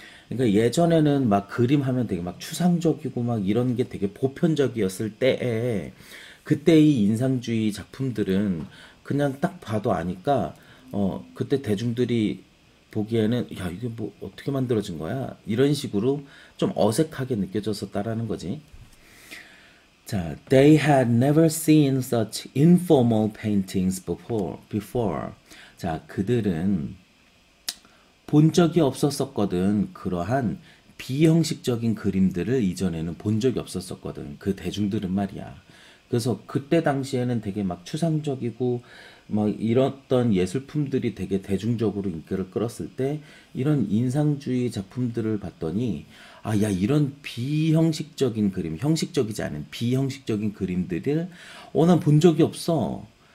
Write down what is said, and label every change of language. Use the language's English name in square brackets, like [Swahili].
[Korean] 그러니까 예전에는 막 그림 하면 되게 막 추상적이고 막 이런 게 되게 보편적이었을 때에, 그때 이 인상주의 작품들은 그냥 딱 봐도 아니까, 그때 대중들이 보기에는, 야, 이게 뭐 어떻게 만들어진 거야? 이런 식으로 좀 어색하게 느껴졌었다라는 거지. [English] 자, they had never seen such informal paintings before. [Korean] 자, 그들은 본 적이 없었었거든. 그러한 비형식적인 그림들을 이전에는 본 적이 없었었거든. 그 대중들은 말이야. 그래서 그때 당시에는 되게 막 추상적이고 막 이랬던 예술품들이 되게 대중적으로 인기를 끌었을 때, 이런 인상주의 작품들을 봤더니, 아, 야, 이런 비형식적인 그림, 형식적이지 않은 비형식적인 그림들을, 난본 적이 없어.